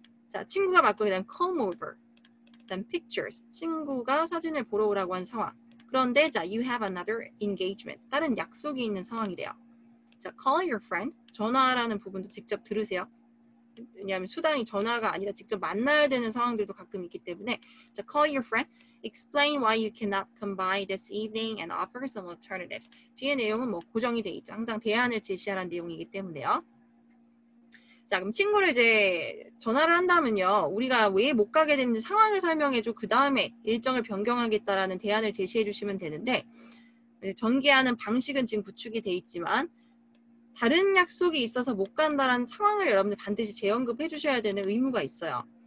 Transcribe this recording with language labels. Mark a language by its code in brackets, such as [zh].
[ko] 자, 친구가 맞고, 그다음 [en] come over. [ko] 그다음 pictures. 친구가 사진을 보러 오라고 한 상황. 그런데, 자, [en] you have another engagement. [ko] 다른 약속이 있는 상황이래요. 자, [en] call your friend. [ko] 전화라는 부분도 직접 들으세요. 왜냐하면 수단이 전화가 아니라 직접 만나야 되는 상황들도 가끔 있기 때문에. 자, [en] call your friend. Explain why you cannot come by this evening and offer some alternatives. [ko] 뒤에 내용은 뭐 고정이 돼 있죠. 항상 대안을 제시하라는 내용이기 때문에요. 자, 그럼 친구를 이제 전화를 한다면요. 우리가 왜못 가게 됐는지 상황을 설명해주고 그 다음에 일정을 변경하겠다라는 대안을 제시해주시면 되는데, 이제 전개하는 방식은 지금 구축이 돼 있지만 다른 약속이 있어서 못 간다라는 상황을 여러분들 반드시 재언급해 주셔야 되는 의무가 있어요.